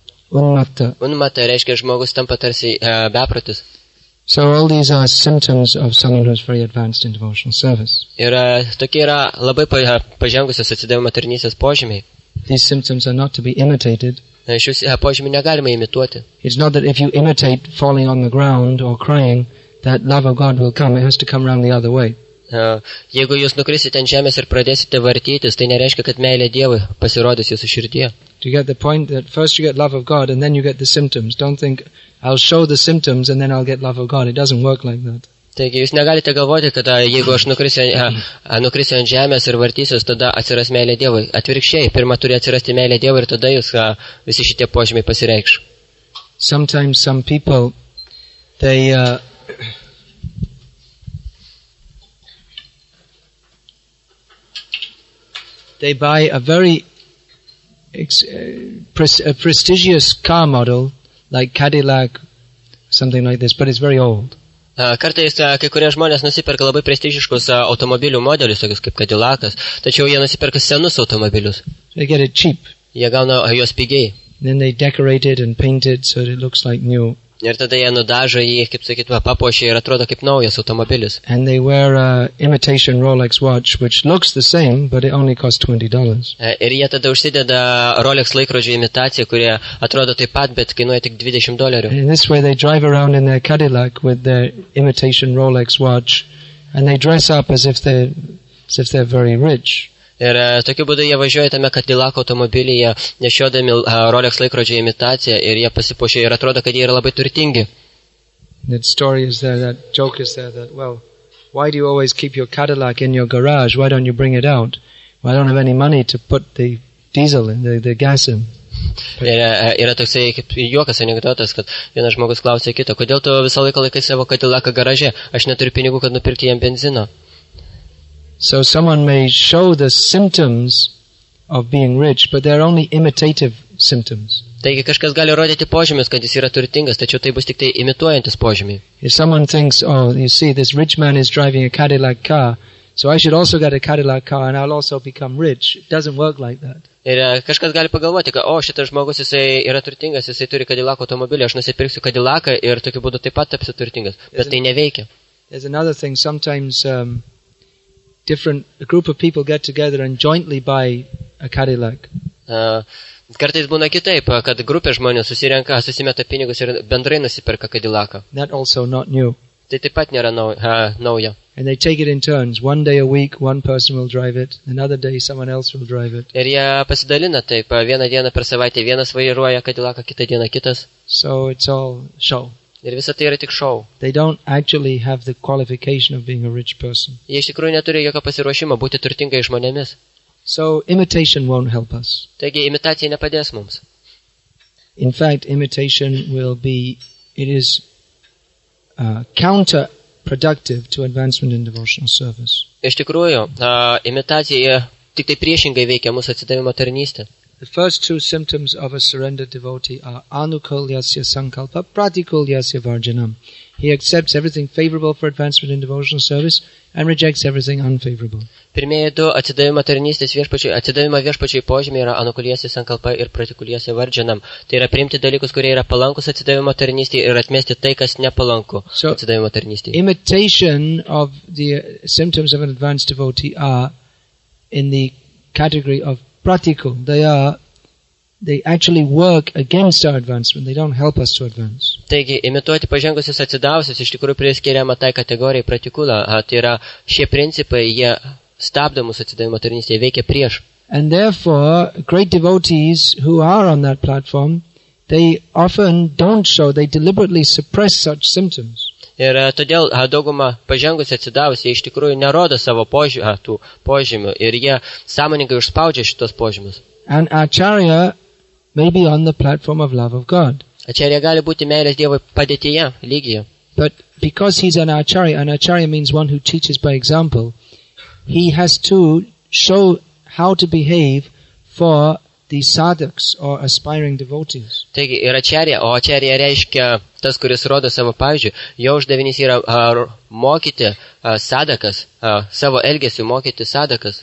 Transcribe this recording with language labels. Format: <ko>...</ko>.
<lt>Unmata reiškia žmogus tampa tarsi beprotis.</lt> <en>So all these are symptoms of someone who's very advanced in devotional service.</en> <lt>Ir tokie yra labai pažengusios atsidavimo tarnystės požymiai.</lt> <en>These symptoms are not to be imitated.</en> <lt>Šius požymiai negalima imituoti.</lt> <en>It's not that if you imitate falling on the ground or crying that love of God will come. It has to come round the other way.</en> <lt>Jeigu jūs nukrisite ant žemės ir pradėsite vartytis, tai nereiškia, kad meilė Dievui pasirodys jūsų širdyje.</lt> <en>Do you get the point that first you get love of God and then you get the symptoms? Don't think I'll show the symptoms and then I'll get love of God. It doesn't work like that.</en> <lt>Taigi, jūs negalite galvoti, kad jeigu aš nukrisiu ant žemės ir vartysiu, tada atsiras meilė Dievui. Atvirkščiai, pirma turi atsirasti meilė Dievui ir tada jūs visi šitie požymiai pasireikš.</lt> <en>Sometimes some people, they... they buy a very a prestigious car model, like Cadillac, something like this, but it's very old.</en> <lt>Kartais kai kurie žmonės nusiperka labai prestižiškus automobilių modelius, tokius kaip Cadillacas, tačiau jie nusiperka senus automobilius.</lt> <en>They get it cheap.</en> <lt>Jie gauna juos pigiai.</lt> <en>Then they decorate it and paint it so it looks like new.</en> <lt>Ir tada jie nudažo jį, kaip sakyt, va, papuošia ir atrodo kaip naujas automobilis.</lt> <en>And they wear a imitation Rolex watch, which looks the same, but it only costs $20.</en> <lt>Ir jie tada užsideda Rolex laikrodžio imitaciją, kurie atrodo taip pat, bet kainuoja tik $20.</lt> <en>In this way they drive around in their Cadillac with their imitation Rolex watch, and they dress up as if they're very rich.</en> <lt>Ir tokiu būdu jie važiuoja tame Cadillac automobilyje, nešiodami Rolex laikrodžio imitaciją, ir jie pasipuošia ir atrodo, kad jie yra labai turtingi.</lt> <en>That story is there, that joke is there, that, well, why do you always keep your Cadillac in your garage? Why don't you bring it out? Well, I don't have any money to put the diesel in, the gas in.</en> <lt>Yra toksai kaip juokas anekdotas, kad vienas žmogus klausė kitą, kodėl tu visą laiką laikai savo Cadillac garaže? Aš neturiu pinigų, kad nupirkti jam benzino.</lt> <en>So someone may show the symptoms of being rich, but they're only imitative symptoms.</en> <lt>Taigi kažkas gali rodyti požymius, kad jis yra turtingas, tačiau tai bus tik tai imituojantis požymiai.</lt> <en>If someone thinks, oh, you see, this rich man is driving a Cadillac car, so I should also get a Cadillac car and I'll also become rich. It doesn't work like that.</en> <lt>Ir kažkas gali pagalvoti, kad, o, šitas žmogus, jisai yra turtingas, jisai turi Cadillac automobilį, aš nusipirksiu Cadillacą ir tokiu būdu taip pat tapsiu turtingas. Bet tai neveikia.</lt> <en>There's another thing, sometimes... a group of people get together and jointly buy a Cadillac.</en> <lt>Kartais būna kitaip, kad grupė žmonių susirenka, susimeta pinigus ir bendrai nusiperka Cadillacą.</lt> <en>That also not new.</en> <lt>Tai taip pat nėra nauja.</lt> <en>And they take it in turns. One day a week, one person will drive it. Another day, someone else will drive it.</en> <lt>Ir jie pasidalina taip, vieną dieną per savaitę vienas vairuoja Cadillacą, kitą dieną kitas.</lt> <en>So it's all show.</en> <lt>Ir visa tai yra tik šou.</lt> <en>They don't actually have the qualification of being a rich person.</en> <lt>Jie iš tikrųjų neturi jokio pasiruošimo būti turtingai žmonėmis.</lt> <en>So imitation won't help us.</en> <lt>Taigi imitacija nepadės mums.</lt> <en>In fact, imitation will be, it is counterproductive to advancement in devotional service.</en> <lt>Iš tikrųjų, imitacija tik tai priešingai veikia mūsų atsidavimo tarnystę.</lt> <en>The first two symptoms of a surrendered devotee are anukulyasya sankalpa, pratikulyasya varjanam. He accepts everything favorable for advancement in devotional service and rejects everything unfavorable.</en> <lt>Pirmieji du atsidavimo tarnystės viešpačiui, atsidavimo viešpačiui požymiai yra anukulyasya sankalpa ir pratikulyasya varjanam. Tai yra priimti dalykus, kurie yra palankus atsidavimo tarnystėje ir atmesti tai, kas nepalanku atsidavimo tarnystėje.</lt> <en>So, imitation of the symptoms of an advanced devotee are in the category of practical. They actually work against our advancement. They don't help us to advance.</en> <lt>Taigi, imituoti pažengusius atsidavusius iš tikrųjų priskiriama tai kategorijai pratikula. Tai yra, šie principai, jie stabdo mūsų atsidavimo tarnystę, jie veikia prieš.</lt> <en>And therefore, great devotees who are on that platform, they often don't show, they deliberately suppress such symptoms.</en> <lt>Ir todėl dauguma pažengusi atsidavusi, jie iš tikrųjų nerodo savo tų požymių ir jie sąmoningai užspaudžia šitos požymius.</lt> <en>And Acharya may be on the platform of love of God.</en> <lt>Acharya gali būti meilės Dievui padėtyje, lygyje.</lt> <en>But because he's an Acharya means one who teaches by example, he has to show how to behave for the sadhaks or aspiring devotees.</en> <lt>Taigi, ir Acharya, o Acharya reiškia tas, kuris rodo savo pavyzdžiui, jo uždavinys yra mokyti sadakas, savo elgesiu mokyti sadakas.</lt>